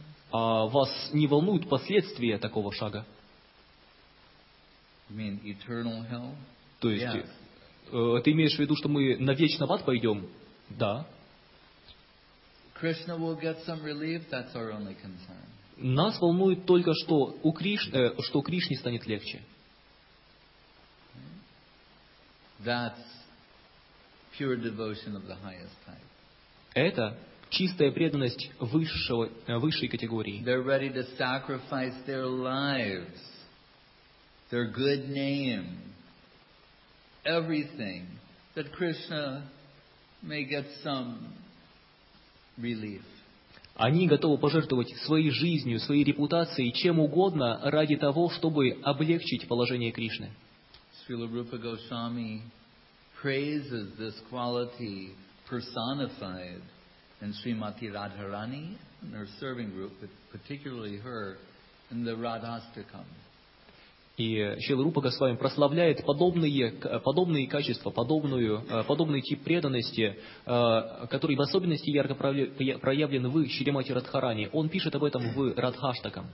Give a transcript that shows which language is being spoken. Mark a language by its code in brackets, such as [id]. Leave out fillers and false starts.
[ru] А вас не волнуют последствия такого шага? То есть, ты имеешь в виду, что мы навечно в ад пойдем? Да. [en] Krishna will get some relief, that's our only concern. [ru] Нас волнует только, что Кришне станет легче. [en] That's pure devotion of the highest type. [ru] Это чистая преданность высшей категории. [en] They're ready to sacrifice their lives, their good name, everything, that Krishna may get some relief. [ru] Они готовы пожертвовать своей жизнью, своей репутацией, чем угодно ради того, чтобы облегчить положение Кришны. [en] Srila Rupa Goswami praises this quality personified in Srimati Radharani and her serving group, particularly her, in the Radhastakam. [ru] И Шрила Рупа Госвами прославляет подобные качества, подобный тип преданности, который в особенности ярко проявлен в Шримати Радхарани. Он пишет об этом в Радхаштакам.